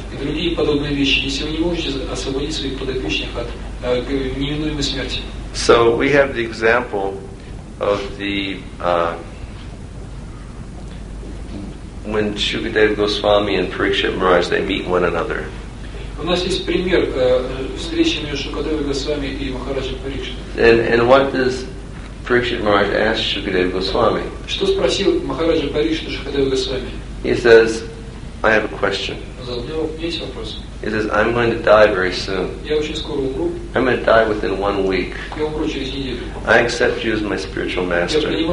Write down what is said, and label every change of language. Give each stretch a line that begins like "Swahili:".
Russian: И другие подобные вещи, если вы не можете освободить своих подопечных от неминуемой смерти.
English: So we have the example of the when Shukadeva Goswami and Parikshit Maharaj, they meet one another.
Russian: У нас есть пример встречи между Шукадевой Госвами и Махараджем Парикшит.
English: And what does Parikshit Maharaj ask Shukadeva Goswami?
Russian: Что спросил Махараджа Парикшит Шукадева Госвами?
English: He says, I have a question. He says, I'm going to die very soon. I'm going to die within 1 week. I accept you as my spiritual master.